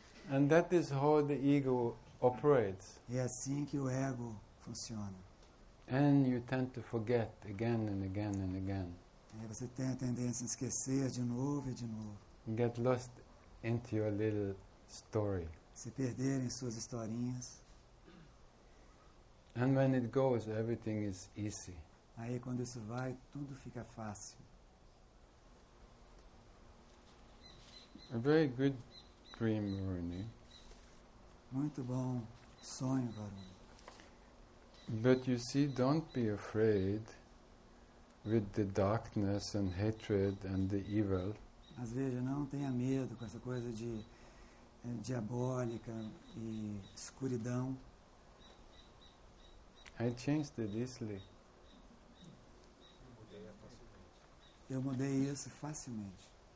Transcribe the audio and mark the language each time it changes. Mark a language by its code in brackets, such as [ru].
[en] And that is how the ego operates. [pt] É assim que o ego funciona. [en] And you tend to forget again and again and again. [pt] E você tem a tendência a esquecer de novo e de novo. [en] Get lost into your little story. [pt] Se perder em suas historinhas. [en] And when it goes, everything is easy. [pt] Aí quando isso vai, tudo fica fácil. [en] A very good dream, Varuni. [pt] Muito bom sonho, Varuni. [en] But you see, don't be afraid with the darkness and hatred and the evil. [pt] Mas veja, não tenha medo com essa coisa de diabólica e escuridão. [en] I changed it easily. Eu mudei isso facilmente.